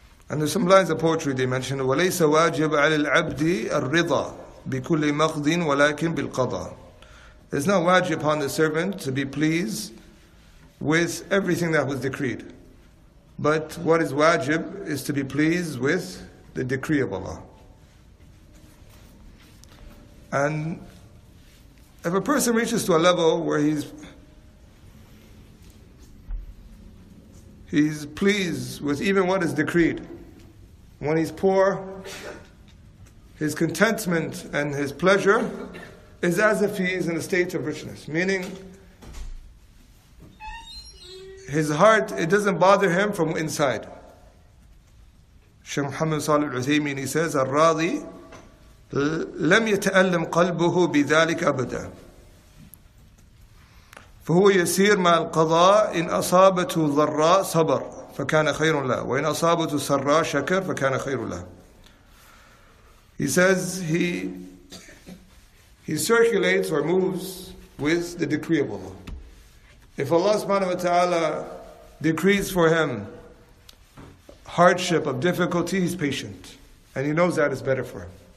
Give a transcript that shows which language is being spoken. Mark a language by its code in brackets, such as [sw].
[en] And there's some lines of poetry they mention, [ar] وَلَيْسَ وَاجِبَ عَلِ الْعَبْدِ الرِّضَى بِكُلِّ مَقْضٍ وَلَكِن بِالْقَضَى. [en] It's not wajib upon the servant to be pleased with everything that was decreed. But what is wajib is to be pleased with the decree of Allah. And if a person reaches to a level where he's pleased with even what is decreed, when he's poor, his contentment and his pleasure is as if he is in a state of richness. Meaning, his heart, it doesn't bother him from inside. Shaykh Muhammad Salaf Al-Uthaymeen, he says, [ar] الراضي لم يتألم قلبه بذلك أبدا فهو يسير مع القضاء إن أصابته ضراء صبر فَكَانَ خَيْرٌ لَهُ وَإِنْ أَصَابَتُ سَرَّى شَكَرْ فَكَانَ خَيْرٌ لَهُ. [en] He says he circulates or moves with the decree of Allah. If Allah subhanahu wa ta'ala decrees for him hardship of difficulty, he's patient. And he knows that is better for him.